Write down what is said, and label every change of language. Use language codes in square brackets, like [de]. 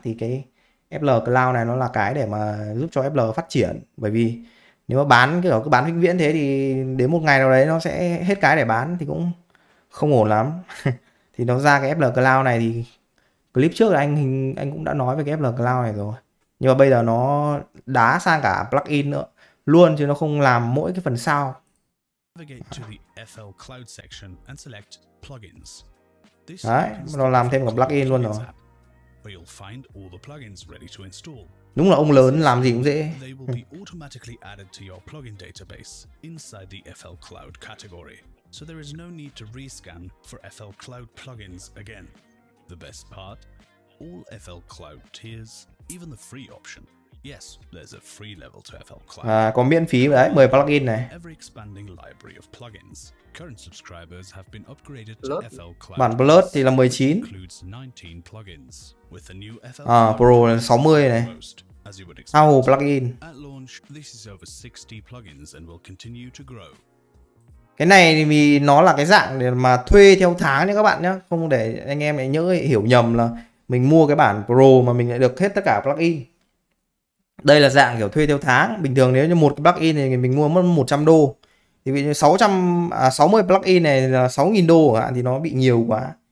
[vi] Thì cái FL Cloud này nó là cái để mà giúp cho FL phát triển, bởi vì nếu mà bán kiểu cứ bán vĩnh viễn thế thì đến một ngày nào đấy nó sẽ hết cái để bán thì cũng không ổn lắm. Thì nó ra cái FL Cloud này thì clip trước là anh cũng đã nói về cái FL Cloud này rồi, nhưng mà bây giờ nó đá sang cả plugin nữa luôn chứ nó không làm mỗi cái phần sau. [en] Navigate to the FL Cloud section and select plugins. This [vi] Đấy, nó làm thêm cả plugin luôn rồi. [en] Where you'll find all the plugins ready to install. [vi] Đúng là ông lớn làm gì cũng dễ. [en] They will be automatically added to your plugin database inside the FL Cloud category. So there is no need to rescan for FL Cloud plugins again. The best part, all FL Cloud tiers, even the free option. Yes, there's a free level to FL Cloud. [vi] Có miễn phí đấy, 10 plugin này. [en] Every expanding library of plugins. Current subscribers have been upgraded to Blood. FL Cloud. [vi] Bản Blood thì là 19. [en] Includes 19 plugins. With the new FL [vi] Pro là 60 này. [en] As you would expect. Ao plugin. At launch, this is over 60 plugins and will continue to grow. [vi] Cái này thì vì nó là cái dạng để mà thuê theo tháng nhé các bạn nhé, không để anh em lại nhớ hiểu nhầm là mình mua cái bản Pro mà mình lại được hết tất cả plugin. Đây là dạng kiểu thuê theo tháng, bình thường nếu như một cái plugin này thì mình mua mất 100 đô. Thì ví dụ như 600 60 plugin này là 6.000 đô thì nó bị nhiều quá.